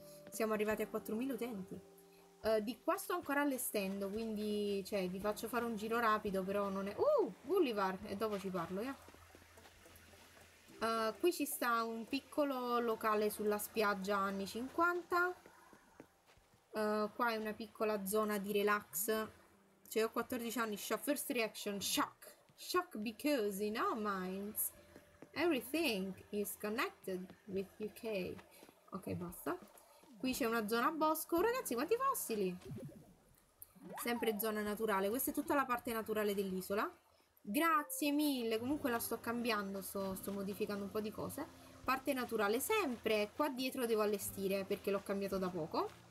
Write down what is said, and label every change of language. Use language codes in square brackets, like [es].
[it] Siamo arrivati a 4.000 utenti. Di qua sto ancora allestendo, quindi cioè, vi faccio fare un giro rapido, però non è... Gullivar! E dopo ci parlo, eh. Qui ci sta un piccolo locale sulla spiaggia anni 50. Qua è una piccola zona di relax. Cioè, ho 14 anni. [en] Shock, first reaction: shock. Shock because in our minds everything is connected with UK. [it] Ok, basta. Qui c'è una zona bosco. Ragazzi, quanti fossili! Sempre zona naturale. Questa è tutta la parte naturale dell'isola. Grazie mille, comunque la sto cambiando, sto modificando un po' di cose. parte naturale sempre. Qua dietro devo allestire perché l'ho cambiato da poco.